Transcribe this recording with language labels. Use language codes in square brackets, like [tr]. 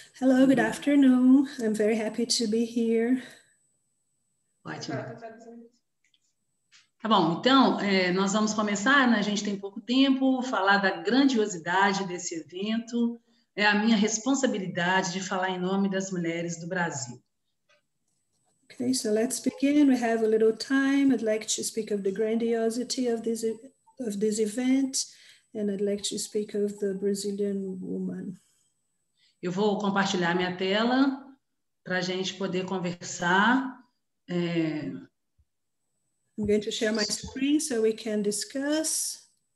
[en] Hello, good afternoon. I'm very happy to be here. [pt] Ótimo. Tá bom, então, nós vamos começar, né? A gente tem pouco tempo, falar da grandiosidade desse evento, é a minha responsabilidade de falar em nome das mulheres do Brasil. [en] Okay, so let's begin, we have a little time, I'd like to speak of the grandiosity of this event, And I'd like to speak of the Brazilian woman. [pt] Eu vou compartilhar minha tela para a gente poder conversar. [en] I'm going to share my screen so we can discuss.